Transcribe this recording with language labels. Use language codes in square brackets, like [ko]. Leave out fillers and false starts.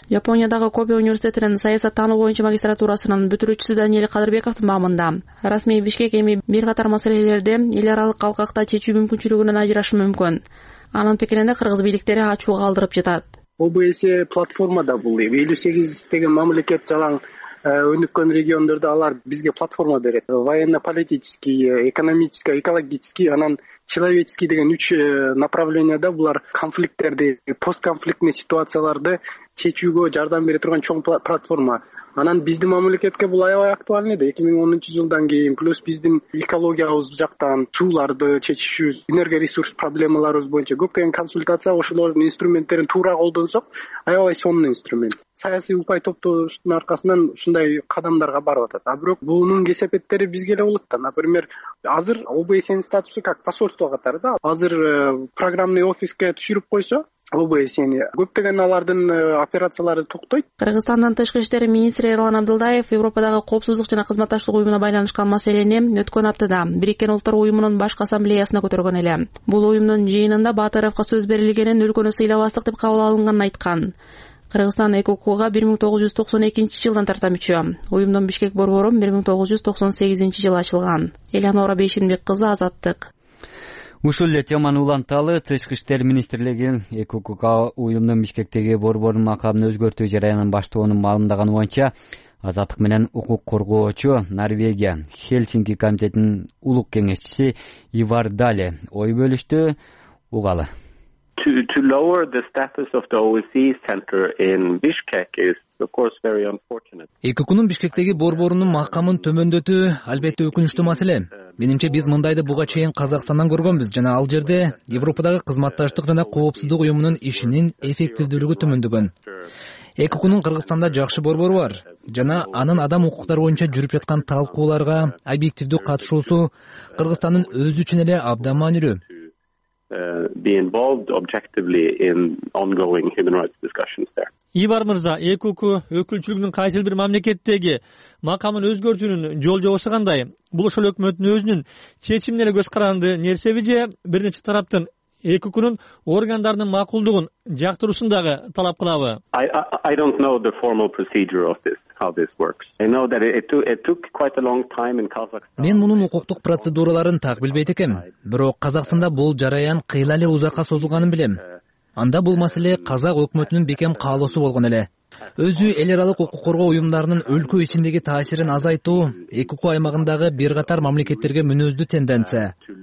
[ky] Япониядагы Кобе университетинин саясаттануу боюнча магистратурасынын бүтүрүүчүсү Даниэль Кадырбековдун маамында расмий Бишкек эми бир катар маселелерди эл аралык калкакта чечүү мүмкүнчүлүгүнөн ажырашы мүмкүн. Анын пикиринде кыргыз бийликтери ачууга калдырып жатат. ОБСЕ платформада бул 58 деген мамлекет жалаң өнүккөн региондордо алар бизге платформа берет. [ru] Военно-политический, экономический, экологический, [ky] анан [ru] человеческий [ky] деген 3 направленияда булар конфликттерди, [ru] постконфликтный [ky] ситуацияларды чечүүгө жардам бере турган чоң платформа. Анан биздин мамлекетке бул аябай актуалдуу эле 2010 жылдан кийин, плюс биздин экологиябыз жактан сууларды чечишүбүз, энергия ресурс проблемаларыбыз боюнча көптөгөн консультация, ошолордун инструменттерин туура колдонсок аябай сонун инструмент. Саясий упай топтоштун аркасынан ушундай кадамдарга барып атат. А бирок бунун кесепеттери бизге эле болот да. [ru] Например, [ky] азыр ОБСЕнин статусу [ru] как посольство [ky] катары да, азыр программный офиске түшүрүп койсо ОБСЕни көптөгөн алардын операциялары токтойт. Кыргызстандын тышкы иштер министри Эрлан Абдылдаев Европадагы коопсуздук жана кызматташтык уюмуна байланышкан маселени өткөн аптада Бириккен Улуттар Уюмунун баш ассамблеясына көтөргөн эле. Бул уюмдун жыйынында Баатыровго сөз берилгенин өлкөнү сыйлабастык деп кабыл алынганын айткан. Кыргызстан ЭКК-га 1992 жылдан тарта мүчө. Уюмдун Бишкек борбору 1998 жылы ачылган. Элеонора Бейшенбек кызы Азаттык. Ушул эле теманы уланталы тышкы иштер министрлиги ЭКК уюмдун Бишкектеги борборунун макамын өзгөртүү жараянын баштоону маалымдаганы боюнча Азаттык менен укук коргоочу Норвегия Хельсинки комитетинин улук кеңешчиси Ивар Дале ой бөлүштү. Угалы. [en] To lower the status of the OSCE center in Bishkek is of course very unfortunate. [ky] ЭКК'нун Бишкектеги борборунун макамын төмөндөтүү албетте өкүнүчтүү маселе. Менимче биз мындайды буга чейин Казакстандан көргөнбүз жана ал жерде Европадагы кызматташтык жана коопсуздук уюмунун ишинин эффективдүүлүгү төмөндөгөн. ЭКК'нун Кыргызстанда жакшы борбору бар жана анын адам укуктары боюнча жүрүп жаткан талкууларга объективдүү катышуусу Кыргызстандын өзү үчүн эле абдан маанилүү. [en] Be involved objectively in ongoing human rights discussions there. [ky] Ивар Мырза, ЭКК өкүлчүлүгүнүн кайсыл бир мамлекеттеги макамын өзгөртүүнүн жол жобосу кандай? Бул ошол өкмөттүн өзүнүн чечимине эле көз каранды нерсеби же бир нече тараптын ЭКК'нун органдарынын макулдугун жактыруусун дагы талап кылабы? [en] I don't know the formal procedure of this. How this works. I know that it took quite a long time in Kazakhstan. [ky] Мен мунун укуктук процедураларын так билбейт экем. Бирок Казакстанда бул жараян кыйла эле узакка созулганын билем. Анда бул маселе казак өкмөтүнүн бекем каалоосу болгон эле. Өзү эл аралык укук коргоо уюмдарынын өлкө ичиндеги таасирин азайтуу ЭКК аймагындагы бир катар мамлекеттерге мүнөздүү тенденция.